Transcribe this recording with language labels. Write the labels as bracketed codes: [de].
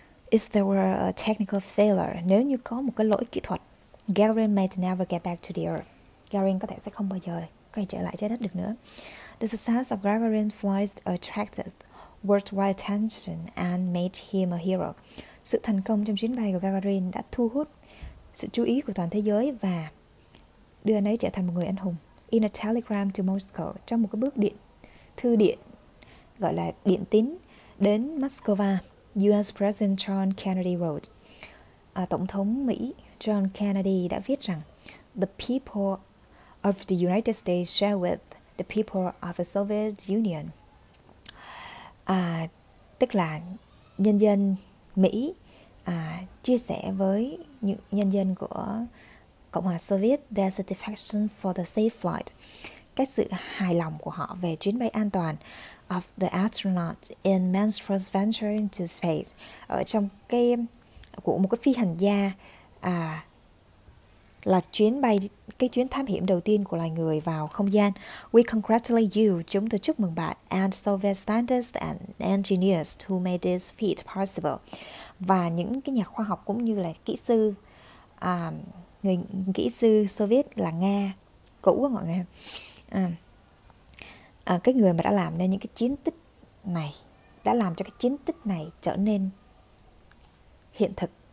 [en] If there were a technical failure, [vi] nếu như có một cái lỗi kỹ thuật, [en] Gagarin might never get back to the Earth. [vi] Gagarin có thể sẽ không bao giờ quay trở lại trái đất được nữa. [en] The success of Gagarin's flight attracted worldwide attention and made him a hero. [vi] Sự thành công trong chuyến bay của Gagarin đã thu hút sự chú ý của toàn thế giới và đưa anh ấy trở thành một người anh hùng. [en] In a telegram to Moscow, [vi] trong một cái bức điện, thư điện, gọi là điện tín đến Moscow, [en] US President John Kennedy wrote, [vi] Tổng thống Mỹ John Kennedy đã viết rằng, [en] the people of the United States share with the people of the Soviet Union. [vi] Tức là nhân dân Mỹ chia sẻ với những nhân dân của Cộng hòa Soviet [en] their satisfaction for the safe flight. [vi] Cái sự hài lòng của họ về chuyến bay an toàn [en] of the astronaut in man's first venture into space. [vi] Ở trong cái của một cái phi hành gia là chuyến bay, cái chuyến thám hiểm đầu tiên của loài người vào không gian. [en] We congratulate you, [vi] chúng tôi chúc mừng bạn, [en] and Soviet scientists and engineers who made this feat possible. [vi] Và những cái nhà khoa học cũng như là kỹ sư, người kỹ sư Soviet là Nga cũ của mọi người, cái người mà đã làm nên những cái chiến tích này, đã làm cho cái chiến tích này trở nên hiện thực.